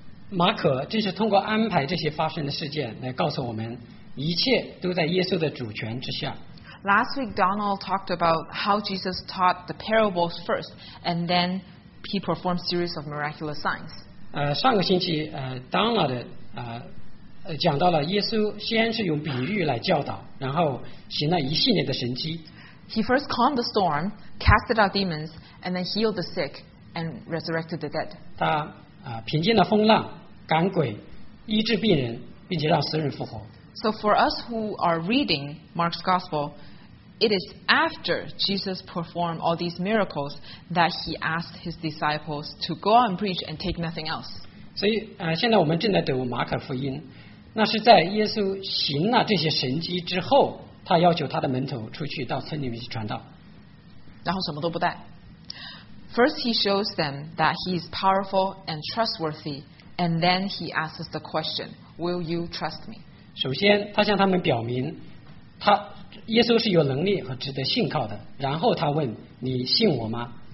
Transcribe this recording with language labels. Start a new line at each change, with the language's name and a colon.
Chinese: 马可正是通过安排这些发生的事件来告诉我们，一切都在耶稣的主权之下。
English: Last week, Donald talked about how Jesus taught the parables first, and then he performed a series of miraculous signs.
Chinese: 上个星期Donald 讲到了耶稣先是用比喻来教导，然后行了一系列的神迹。
English: He first calmed the storm, casted out demons, and then healed the sick and resurrected the dead.
Chinese: 他平静了风浪，赶鬼，医治病人，并且让死人复活。
English: So for us who are reading Mark's Gospel, it is after Jesus performed all these miracles that he asked his disciples to go out and preach and take nothing else.
Chinese: 所以现在我们正在读马可福音，那是在耶稣行了这些神迹之后，他要求他的门徒出去到村里面去传道。然后什么都不带。
English: First he shows them that he is powerful and trustworthy, and then he asks the question, will you trust me?
Chinese: 首先他向他们表明他耶稣是有能力和值得信靠的，然后他问，你信我吗？